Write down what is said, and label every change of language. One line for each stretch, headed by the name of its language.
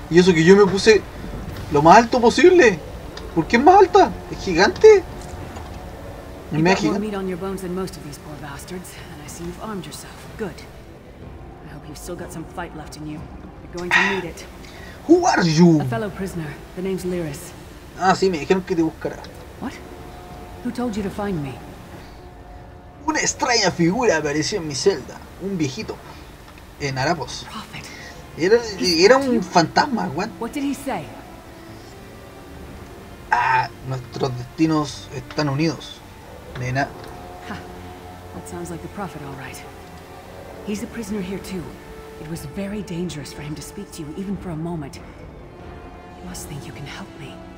Spanish: Y eso que yo me puse lo más alto posible. ¿Por qué es más alta? ¿Es gigante? Me imagino.
English: You've got more meat on your bones than most of these poor bastards, and I see you've armed yourself. Good. I hope you've still got some fight left in you. You're going to need it. Who are you? A fellow prisoner. The name's Lyris.
Spanish: Ah, sí, me dijeron que te buscara.
English: What? Who told you to find me?
Spanish: Una extraña figura apareció en mi celda. Un viejito. En harapos.
English: Prophet.
Spanish: Era un fantasma, weón.
English: What did he say?
Spanish: Ah, nuestros destinos están unidos, nena.
English: That sounds like the prophet, all right. He's a prisoner here too. It was very dangerous for him to speak to you, even for a moment. You must think you can help me.